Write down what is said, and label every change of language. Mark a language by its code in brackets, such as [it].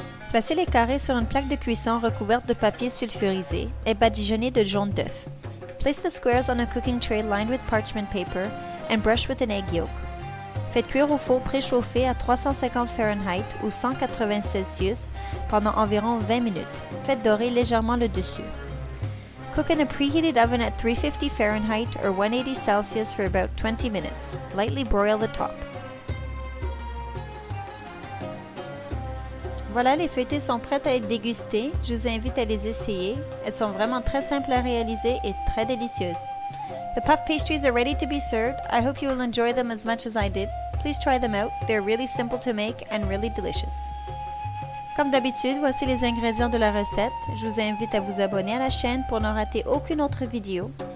[fr] Placez les carrés sur une plaque de cuisson recouverte de papier sulfurisé et badigeonnée de jaune d'œuf. [en] Place the squares on a cooking tray lined with parchment paper and brush with an egg yolk. [fr] Faites cuire au four préchauffé à 350 Fahrenheit ou 180 Celsius pendant environ 20 minutes. Faites dorer légèrement le dessus. [en] Cook in a preheated oven at 350 Fahrenheit or 180 Celsius for about 20 minutes. Lightly broil the top. [fr] Voilà, les feuilletées sont prêtes à être dégustées. Je vous invite à les essayer. Elles sont vraiment très simples à réaliser et très délicieuses. [en] The puff pastries are ready to be served. I hope you will enjoy them as much as I did. Please try them out. They're really simple to make and really delicious. [fr] Comme d'habitude, voici les ingrédients de la recette. Je vous invite à vous abonner à la chaîne pour ne rater aucune autre vidéo.